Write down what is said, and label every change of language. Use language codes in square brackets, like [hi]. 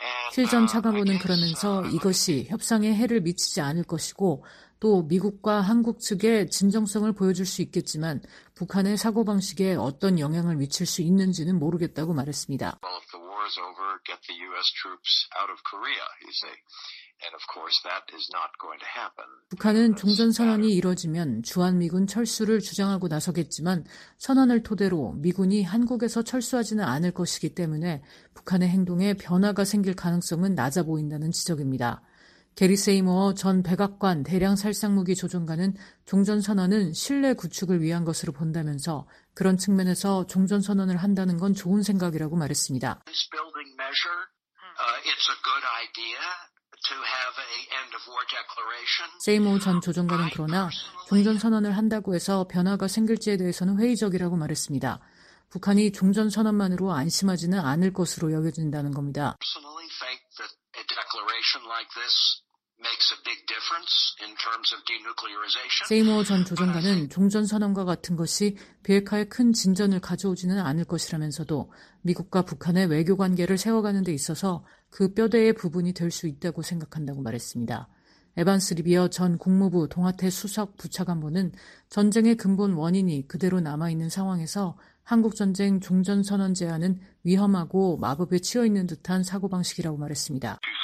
[ko] 힐 전 차관보는 그러면서 이것이 협상에 해를 미치지 않을 것이고 또 미국과 한국 측에 진정성을 보여줄 수 있겠지만 북한의 사고방식에 어떤 영향을 미칠 수 있는지는 모르겠다고 말했습니다. [en] war is over, get the U.S. troops out of Korea, you see. And of course, that is not going to happen. [ko] 북한은 종전 선언이 이뤄지면 주한미군 철수를 주장하고 나서겠지만 선언을 토대로 미군이 한국에서 철수하지는 않을 것이기 때문에 북한의 행동에 변화가 생길 가능성은 낮아 보인다는 지적입니다. 게리 세이머 전 백악관 대량 살상무기 조종관은 종전선언은 신뢰 구축을 위한 것으로 본다면서 그런 측면에서 종전선언을 한다는 건 좋은 생각이라고 말했습니다. [en] This building measure, it's a good idea. To have a end of war declaration. [ko] 세이모 전 조정관은 그러나 종전선언을 한다고 해서 변화가 생길지에 대해서는 회의적이라고 말했습니다. 북한이 종전선언만으로 안심하지는 않을 것으로 여겨진다는 겁니다. [en] Personally think that a declaration like this makes a big difference in terms of denuclearization. [ko] 세이모 전 조정관은 종전선언과 같은 것이 비핵화에 큰 진전을 가져오지는 않을 것이라면서도 미국과 북한의 외교관계를 세워가는 데 있어서 그 뼈대의 부분이 될 수 있다고 생각한다고 말했습니다. 에반스 리비어 전 국무부 동아태 수석 부차관보는 전쟁의 근본 원인이 그대로 남아있는 상황에서 한국전쟁 종전선언 제안은 위험하고 마법에 치여있는 듯한 사고방식이라고 말했습니다.